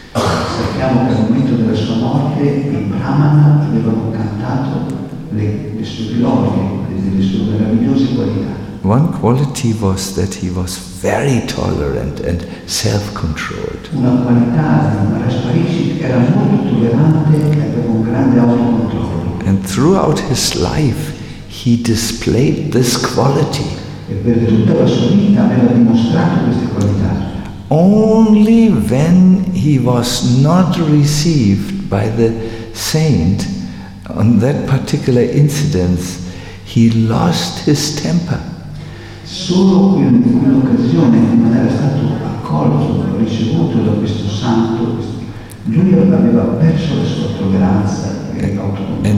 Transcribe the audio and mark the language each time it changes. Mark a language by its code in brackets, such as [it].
[it] Sappiamo che al momento della sua morte i Brahmana avevano cantato le sue glorie, le sue meravigliose qualità. [en] One quality was that he was very tolerant and self-controlled. [it] Una qualità di Maharaj Parikshit era molto tollerante e aveva un grande autocontrollo. [en] And throughout his life he displayed this quality. [it] E per tutta la sua vita aveva dimostrato queste qualità. [en] Only when he was not received by the saint on that particular incident he lost his temper. [it] Solo in quell'occasione non era stato accolto, ricevuto da questo santo, lui aveva perso la sua tolleranza e l'autocontrollo.